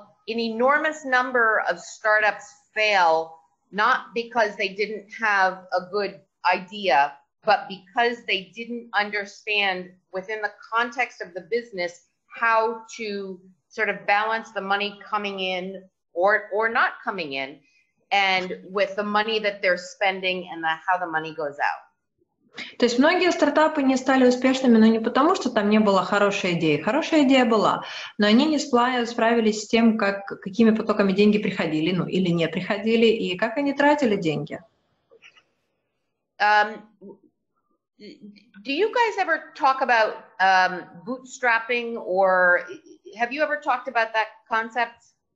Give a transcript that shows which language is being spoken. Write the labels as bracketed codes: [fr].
[en] An enormous number of startups fail, not because they didn't have a good idea, but because they didn't understand within the context of the business how to sort of balance the money coming in or not coming in, and with the money that they're spending and how the money goes out. [ru] То есть многие стартапы не стали успешными, но не потому, что там не было хорошей идеи. Хорошая идея была, но они не справились с тем, как, какими потоками деньги приходили, ну, или не приходили, и как они тратили деньги. [en] Do you guys ever talk about bootstrapping, or have you ever talked about that concept?